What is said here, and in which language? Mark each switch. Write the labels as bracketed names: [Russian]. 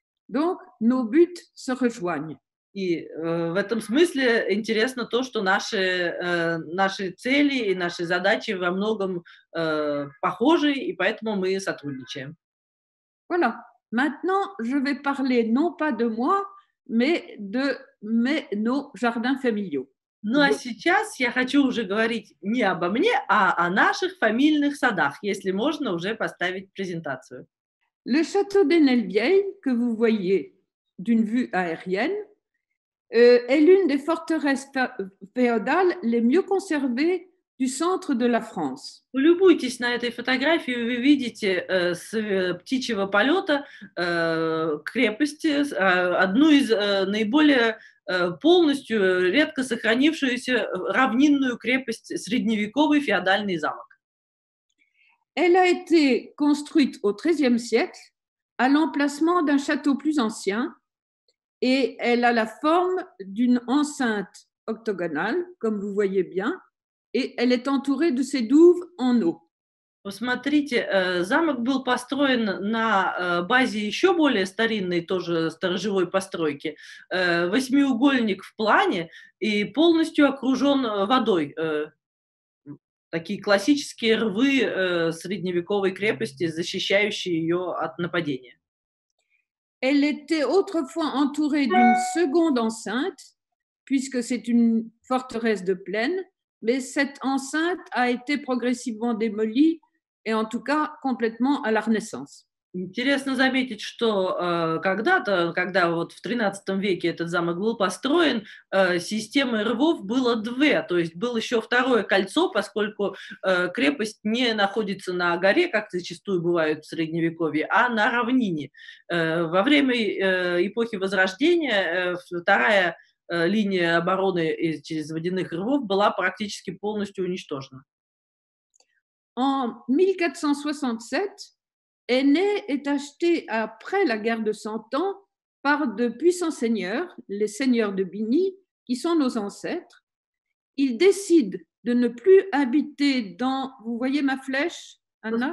[French] Donc, nos buts se rejoignent. [Russian] И в этом смысле интересно то, что наши цели и наши задачи во многом похожи, и поэтому мы сотрудничаем. [French] Voilà. Maintenant, je vais parler non pas de moi, mais de nos jardins familiaux. [Russian] Ну а сейчас я хочу уже говорить не обо мне, а о наших фамильных садах, если можно уже поставить презентацию. [French] Le château d'Ennelvieille, que vous voyez d'une vue aérienne, est l'une des forteresses féodales les mieux conservées du centre de la France. [Russian] Любуйтесь на этой фотографии, вы видите с птичьего полета крепость, одну из наиболее полностью редко сохранившуюся равнинную крепость, средневековый феодальный замок. [French] Elle a été construite au XIIIe siècle à l'emplacement d'un château plus ancien, et elle a la forme d'une enceinte octogonale, comme vous voyez bien, et elle est entourée de ses douves en eau. [Russian] Посмотрите, замок был построен на базе еще более старинной, тоже сторожевой постройки, восьмиугольник в плане и полностью окружен водой. такие классические рвы средневековой крепости, защищающие ее от нападения. [French] Elle était autrefois entourée d'une seconde enceinte, puisque c'est une forteresse de plaine, mais cette enceinte a été progressivement démolie et en tout cas complètement à la Renaissance. [Russian] Интересно заметить, что когда-то, когда вот в 13 веке этот замок был построен, системы рвов было две, то есть было еще второе кольцо, поскольку крепость не находится на горе, как зачастую бывает в Средневековье, а на равнине. Во время эпохи Возрождения вторая линия обороны через водяных рвов была практически полностью уничтожена. [French] En 1467 Aîné est acheté après la guerre de Cent Ans par de puissants seigneurs, les seigneurs de Bigny, qui sont nos ancêtres. Ils décident de ne plus habiter dans... Vous voyez ma flèche, Anna?